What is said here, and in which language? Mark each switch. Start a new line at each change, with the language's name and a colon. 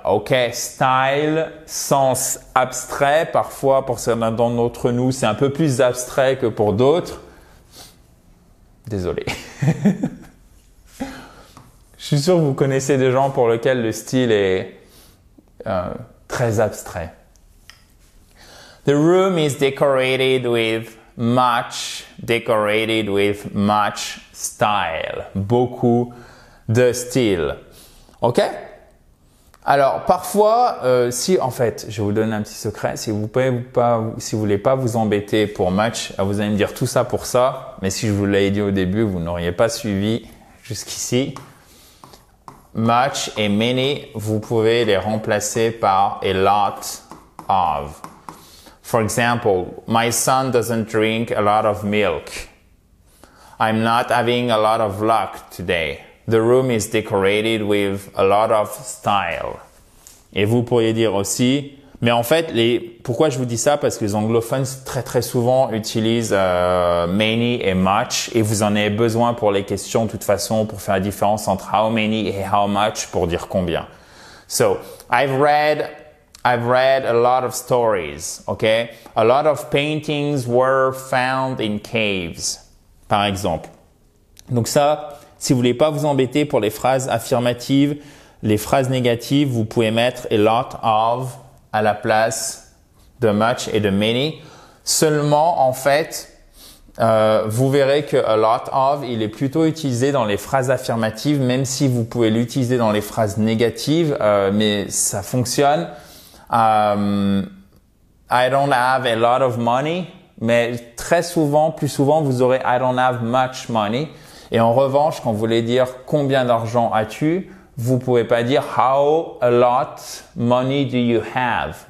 French: Ok, style, sens abstrait. Parfois, pour certains d'entre nous, c'est un peu plus abstrait que pour d'autres. Désolé. Je suis sûr que vous connaissez des gens pour lesquels le style est très abstrait.
English: The room is decorated with much, decorated with much style.
French: Beaucoup de style. Ok? Alors, parfois, si, en fait, je vous donne un petit secret, si vous voulez pas vous embêter pour much, vous allez me dire tout ça pour ça, mais si je vous l'ai dit au début, vous n'auriez pas suivi jusqu'ici. Much et many, vous pouvez les remplacer par a lot of.
English: For example, my son doesn't drink a lot of milk. I'm not having a lot of luck today. The room is decorated with a lot of style.
French: Et vous pourriez dire aussi, mais en fait, pourquoi je vous dis ça? Parce que les anglophones très très souvent utilisent many et much, et vous en avez besoin pour les questions de toute façon, pour faire la différence entre how many et how much, pour dire combien.
English: So, I've read a lot of stories, okay? A lot of paintings were found in caves,
French: par exemple. Donc ça, si vous voulez pas vous embêter pour les phrases affirmatives, les phrases négatives, vous pouvez mettre a lot of à la place de much et de many. Seulement, en fait, vous verrez que a lot of, il est plutôt utilisé dans les phrases affirmatives, même si vous pouvez l'utiliser dans les phrases négatives, mais ça fonctionne.
English: I don't have a lot of money,
French: mais très souvent, plus souvent, vous aurez
English: I don't have much money.
French: Et en revanche, quand vous voulez dire combien d'argent as-tu, vous pouvez pas dire
English: how a lot money do you have.